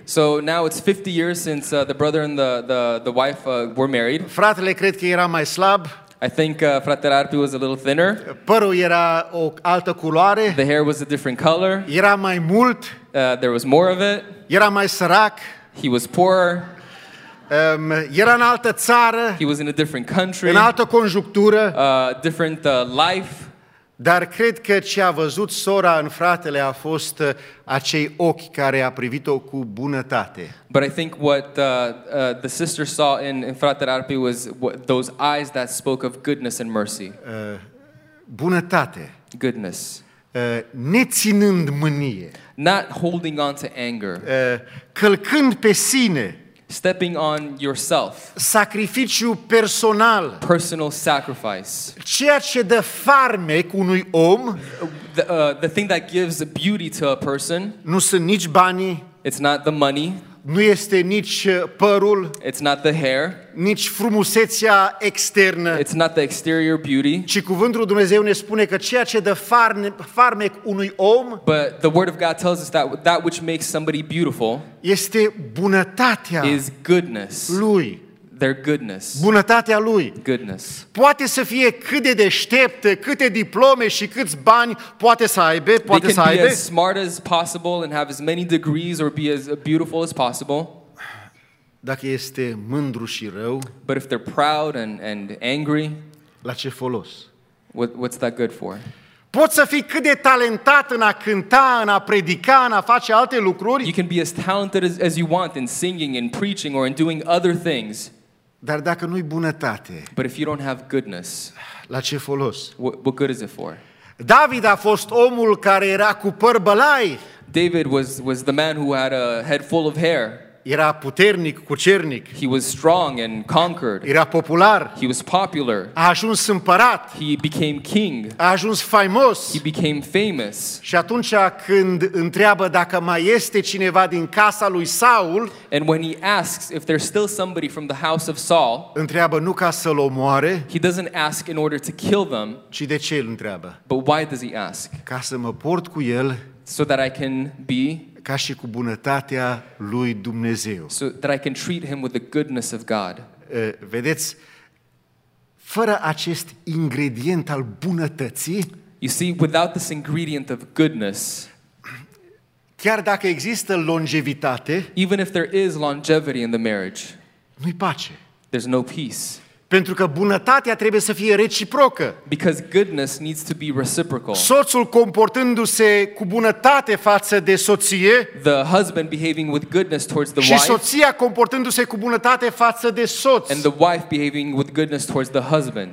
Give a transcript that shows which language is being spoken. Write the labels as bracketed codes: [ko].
[en] So now it's 50 years since the brother and the wife were married. [ro] Fratele cred că era mai slab. [en] I think fratele Arpi was a little thinner. [ro] Părul era o altă culoare. [en] The hair was a different color. [ro] Era mai mult. [en] There was more of it. [ro] Era mai sărac. [en] He was poorer. [ro] Era în altă țară. [en] He was in a different country. [ro] În altă conjunctură. [en] Different life. [ro] Dar cred că ce a văzut sora în fratele a fost acei ochi care a privit-o cu bunătate. [en] But I think what the sister saw in fratele Arpi was those eyes that spoke of goodness and mercy. [ro] Bunătate. [en] Goodness. [ro] Neținând mânie. [en] Not holding on to anger. [ro] Călcând pe sine. [en] Stepping on yourself. [ro] Sacrificiu personal. [en] Personal sacrifice. [ro] Ceea ce dă farmec unui om. [en] The thing that gives beauty to a person. [ro] Nu sunt nici banii. [en] It's not the money. [ro] Nu este nici părul. [en] It's not the hair. [ro] Nici frumusețea externă. [en] It's not the exterior beauty. [ro] Ci cuvântul lui Dumnezeu ne spune că ceea ce dă farmec unui om. [en] But the word of God tells us that that which makes somebody beautiful. [ro] Este bunătatea. [en] Is goodness. [ro] Lui. [en] Their goodness. [ro] Bunătatea lui. [en] Goodness. [ro] Poate să fie cât de deștept, câte diplome și câți bani poate să aibă, poate să aibă. [en] They can be as smart as possible and have as many degrees or be as beautiful as possible. [ro] Dacă este mândru și rău. [en] But if they're proud and angry. [ro] La ce folos? [en] What's that good for? [ro] Poți să fii cât de talentat în a cânta, în a predica, în a face alte lucruri. [en] You can be as talented as you want in singing, in preaching, or in doing other things. [ro] Dar dacă nu-i bunătate. [en] But if you don't have goodness. [ro] La ce folos? [en] What good is it for? [ro] David a fost omul care era cu păr bălai. [en] David was the man who had a head full of hair. [ro] Era puternic, cucernic. [en] He was strong and conquered. [ro] Era popular. [en] He was popular. [ro] A ajuns împărat. [en] He became king. [ro] A ajuns faimos. [en] He became famous. [ro] Și atunci când întreabă dacă mai este cineva din casa lui Saul, [en] and when he asks if there's still somebody from the house of Saul, [ro] întreabă nu ca să-l omoare, [en] he doesn't ask in order to kill them, [ro] ci de ce îl întreabă? [en] But why does he ask? [ro] Ca să mă port cu el, [en] so that I can be [ro] ca și cu bunătatea lui Dumnezeu. [en] So that I can treat him with the goodness of God. [ro] Vedeți, fără acest ingredient al bunătății, [en] you see, without this ingredient of goodness, [ro] chiar dacă există longevitate, [en] even if there is longevity in the marriage, [ro] nu-i pace. [en] There's no peace. [ro] Pentru că bunătatea trebuie să fie reciprocă. [en] Because goodness needs to be reciprocal. [ro] Soțul comportându-se cu bunătate față de soție. [en] The husband behaving with goodness towards the [ro] și [en] wife. [ro] Și soția comportându-se cu bunătate față de soț. [en] And the wife behaving with goodness towards the husband.